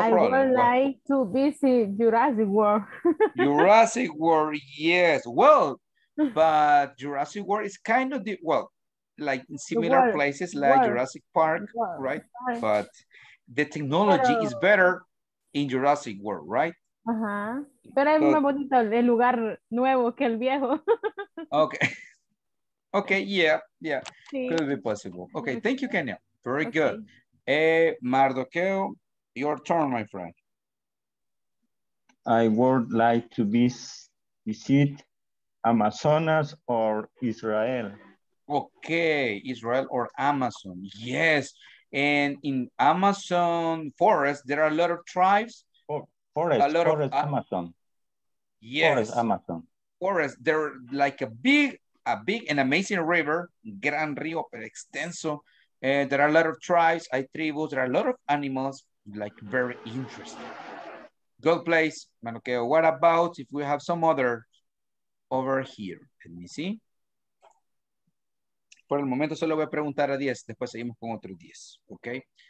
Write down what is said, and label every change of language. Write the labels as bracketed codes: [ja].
[en] I would like to visit Jurassic World. Jurassic World, yes. Well, but Jurassic World is kind of the, well, like in similar world, places like world. Jurassic Park, world. Right? World. But the technology is better in Jurassic World, right? Ajá. [es] Pero es más bonito el lugar nuevo que el viejo. [en] Okay. Okay, yeah, yeah. Sí. Could be possible. Okay, thank you, Kenya. Very okay. Good. Mardoqueo, your turn, my friend. I would like to visit Amazonas or Israel. Okay, Israel or Amazon. Yes. And in Amazon forest, there are a lot of tribes. Forest Amazon. They're like a big and amazing river, [es] Gran Rio, pero extenso. [en] There are a lot of tribes, [es] hay tribus, [en] there are a lot of animals, like very interesting. Good place, Manoqueo. What about if we have some other over here? Let me see. [es] Por el momento solo voy a preguntar a 10, después seguimos con otro 10, okay?